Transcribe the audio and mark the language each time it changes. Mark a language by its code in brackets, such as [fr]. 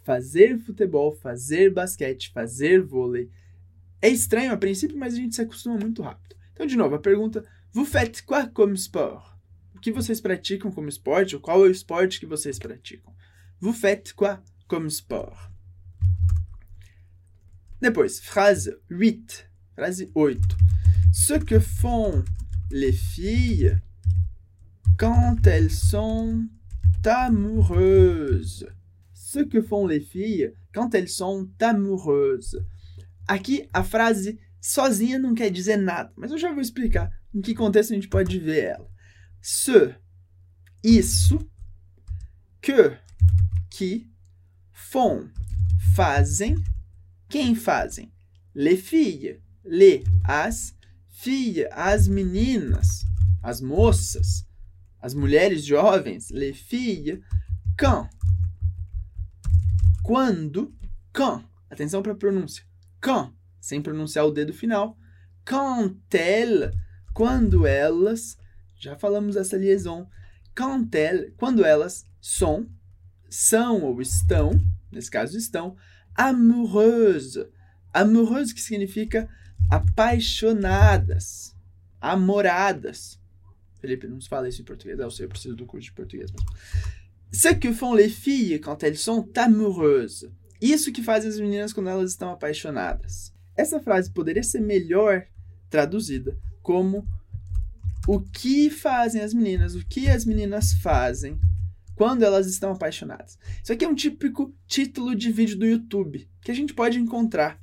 [pt] Fazer futebol, fazer basquete, fazer vôlei. É estranho a princípio, mas a gente se acostuma muito rápido. Então, de novo, a pergunta: [fr] Vous faites quoi comme sport? [pt] O que vocês praticam como esporte, ou qual é o esporte que vocês praticam? [fr] Vous faites quoi comme sport? [pt] Depois, frase 8. Frase 8. [fr] Ce que font les filles quand elles sont amoureuses? Ce que font les filles quand elles sont amoureuses? [pt] Aqui, a frase sozinha não quer dizer nada, mas eu já vou explicar em que contexto a gente pode ver ela. Se, isso, que, font, fazem, quem fazem? Les filles, les, as, filles, as meninas, as moças, as mulheres jovens, les filles, quand, quando, quand, atenção para a pronúncia, quand, sem pronunciar o dedo final, [fr] quand elles, [pt] quando elas, já falamos essa liaison, quand elles, quando elas são ou estão, nesse caso estão, amoureuse. Amoureuse que significa apaixonadas, amoradas. Felipe, não se fala isso em português, eu sei, eu preciso do curso de português. Mas... [fr] Ce que font les filles quand elles sont amoureuses. [pt] Isso que fazem as meninas quando elas estão apaixonadas. Essa frase poderia ser melhor traduzida como o que fazem as meninas, o que as meninas fazem quando elas estão apaixonadas. Isso aqui é um típico título de vídeo do YouTube que a gente pode encontrar.